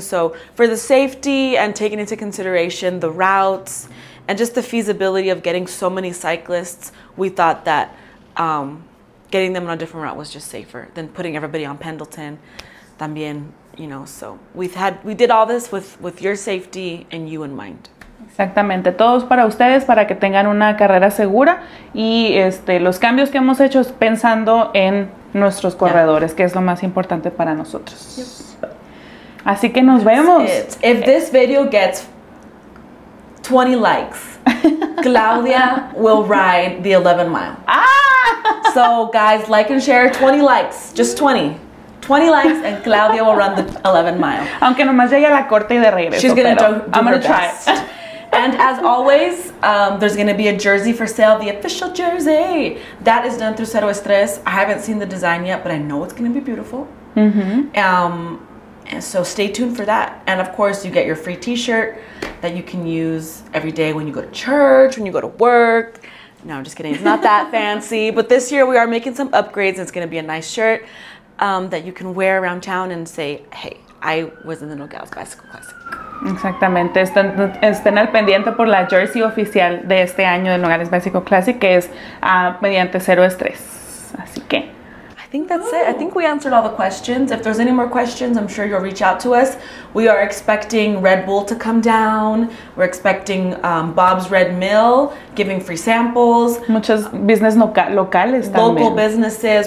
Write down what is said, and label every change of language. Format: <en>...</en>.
<en>So for the safety and taking into consideration the routes and just the feasibility of getting so many cyclists, we thought that getting them on a different route was just safer than putting everybody on Pendleton.</en> <es>También,</es> <en>you know, so we did all this with your safety and you in mind.</en> <es>Exactamente, todos para ustedes, para que tengan una carrera segura y los cambios que hemos hecho es pensando en nuestros corredores, que es lo más importante para nosotros.</es> <en>Yep.</en> <es>Así que nos vemos. It.</es> <en>If this video gets 20 likes, Claudia will ride the 11 mile. Ah! So guys, like and share, 20 likes, just 20. 20 likes and Claudia will run the 11 mile.</en> <es>Aunque nomás llegue a la corte y de regreso.</es> <en>She's gonna try. And as always, there's going to be a jersey for sale, the official jersey. That is done through Cero Estrés. I haven't seen the design yet, but I know it's going to be beautiful. Mm-hmm. So stay tuned for that. And of course, you get your free t-shirt that you can use every day when you go to church, when you go to work. No, I'm just kidding. It's not that fancy. But this year, we are making some upgrades. And it's going to be a nice shirt that you can wear around town and say, hey, I was in the Nogales Bicycle Classic.</en> <es>Exactamente, estén al pendiente por la jersey oficial de este año de Nogales Básico Classic, que es mediante Cero Estrés. Así que</es> <en>I think that's it. I think we answered all the questions. If there's any more questions, I'm sure you'll reach out to us. We are expecting Red Bull to come down. We're expecting Bob's Red Mill giving free samples.</en> <es>Muchas</es> <en>business</en> <es>locales también.</es> <en>Local businesses.</en>